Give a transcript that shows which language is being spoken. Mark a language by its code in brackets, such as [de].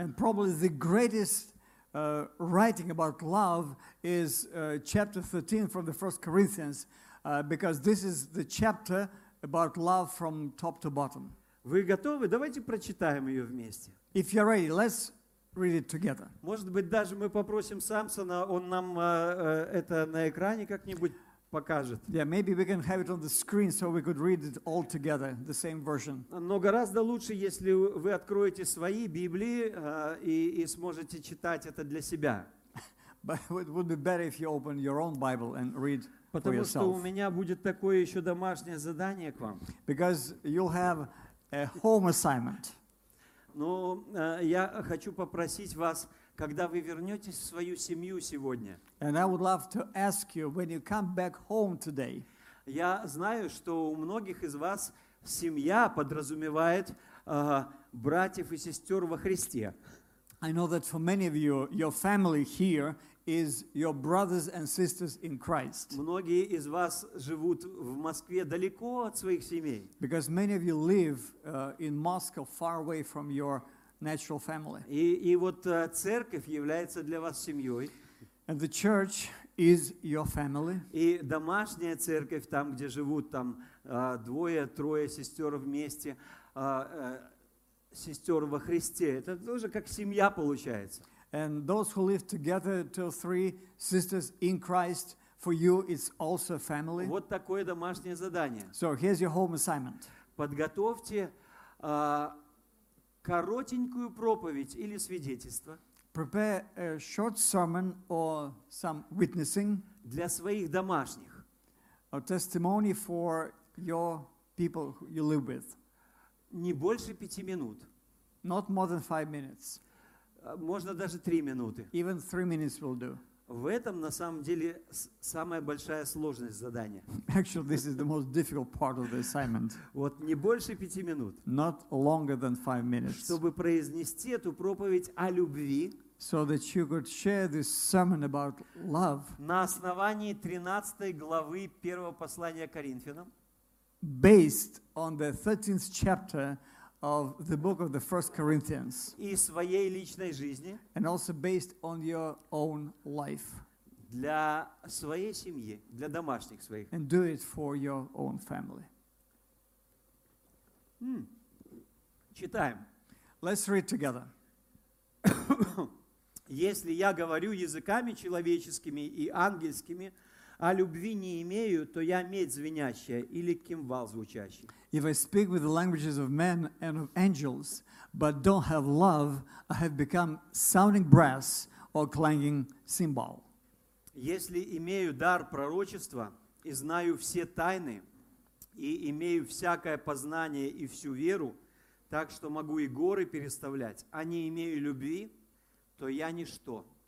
[en] And probably the greatest writing about love is chapter 13 from the First Corinthians, because this is the chapter about love from top to bottom. [ru] Вы готовы? Давайте прочитаем ее вместе. [en] If you're ready, let's read it together. [ru] Может быть, даже мы попросим Самсона, он нам это на экране как-нибудь покажет. [en] Yeah, maybe we can have it on the screen so we could read it all together, the same version. [ru] Но гораздо лучше, если вы откроете свои Библии и сможете читать это для себя. [en] But it would be better if you open your own Bible and read. [ru] Потому что у меня будет такое еще домашнее задание к вам. [en] Because you'll have a home assignment. [ru] Но я хочу попросить вас, когда вы вернетесь в свою семью сегодня. [en] And I would love to ask you when you come back home today. [ru] Я знаю, что у многих из вас семья подразумевает братьев и сестер во Христе. [en] I know that for many of you, your family here is your brothers and sisters in Christ. [ru] Многие из вас живут в Москве далеко от своих семей. [en] Because many of you live in Moscow, far away from your natural family. [ru] И вот церковь является для вас семьей. [en] And the church is your family. [ru] И домашняя церковь там, где живут там двое-трое сестер вместе, сестер во Христе. Это тоже как семья получается. [en] And those who live together, two or three sisters in Christ, for you it's also family. [ru] Вот такое домашнее задание. [en] So here's your home assignment. [ru] Подготовьте коротенькую проповедь или свидетельство. [en] Prepare a short sermon or some witnessing. [ru] Для своих домашних. [en] A testimony for your people who you live with. [ru] Не больше пяти минут. [en] Not more than 5 minutes. [ru] Можно даже 3 минуты. [en] Even 3 minutes will do. [ru] В этом, на самом деле, самая большая сложность задания. [en] Actually, this is the most difficult part of the assignment. [ru] Вот не больше 5 минут. [en] Not longer than 5 minutes. [ru] Чтобы произнести эту проповедь о любви. [en] So that you could share this sermon about love. [ru] На основании 13 главы первого послания Коринфянам. [en] Based on the 13th chapter of the book of the First Corinthians. [ru] И своей личной жизни. [en] And also based on your own life. [ru] Для своей семьи, для домашних своих. [en] And do it for your own family. [ru] Читаем. [en] Let's read together. [ru] Если я говорю языками человеческими и ангельскими, а любви не имею, то я медь звенящая или кимвал звучащий. [en] If I speak with the languages of men and of angels, but don't have love, I have become sounding brass or clanging cymbal. [ru] Если имею дар пророчества и знаю все тайны, и имею всякое познание и всю веру, так что могу и горы переставлять, а не имею любви, то я ничто.